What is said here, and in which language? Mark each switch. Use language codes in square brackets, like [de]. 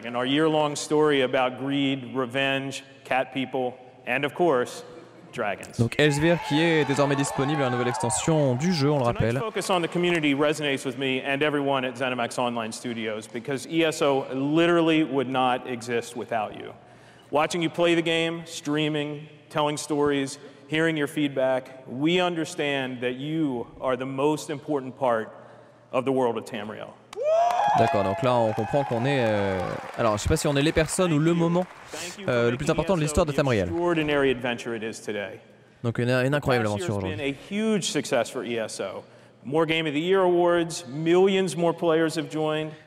[en] Our year-long story about greed, revenge, cat people, and of course, dragons. [fr] Donc Elsevier qui est désormais disponible, la nouvelle extension du jeu, on le rappelle. [en] Tonight's focus on the community resonates with me and everyone at ZeniMax Online Studios because ESO literally would not exist without you. Watching you play the game, streaming, telling stories, hearing your feedback, we understand that you are the most important part of the world of Tamriel. [fr] D'accord, donc là on comprend qu'on est alors je sais pas si on est les personnes ou le moment le plus important de l'histoire de Tamriel. [en] Extraordinary adventure it is today. [fr] Donc une incroyable aventure aujourd'hui. [en] It's been a huge success for ESO. More Game of the Year awards, millions more players have joined.